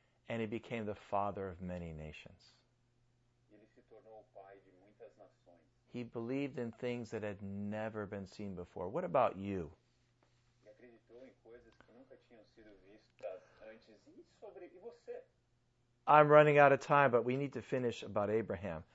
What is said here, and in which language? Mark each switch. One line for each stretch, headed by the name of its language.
English: And he became the father of many nations.
Portuguese: Ele se tornou o pai de muitas nações.
English: He believed in things that had never been seen before. What about you?
Portuguese: Ele acreditou em coisas que nunca tinham sido vistas antes. E sobre, e você?
English: I'm running out of time, but we need to finish about Abraham.